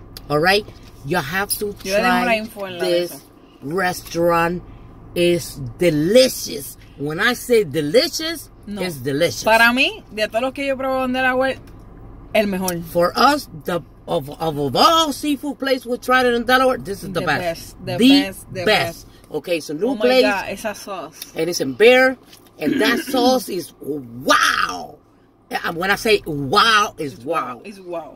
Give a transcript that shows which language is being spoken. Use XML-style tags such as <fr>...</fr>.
<en>All right, you have to try this restaurant. It's delicious. When I say delicious, no. It's delicious.</en> <es>Para mí, de todos los que yo probé en Delaware, el mejor.</es> <en>For us, of all seafood places we tried it in Delaware, this is the best. Okay, so new place. Oh my God, it's a sauce. And it's in Bear. And that sauce is wow. And when I say wow, it's wow. It's wow.</en>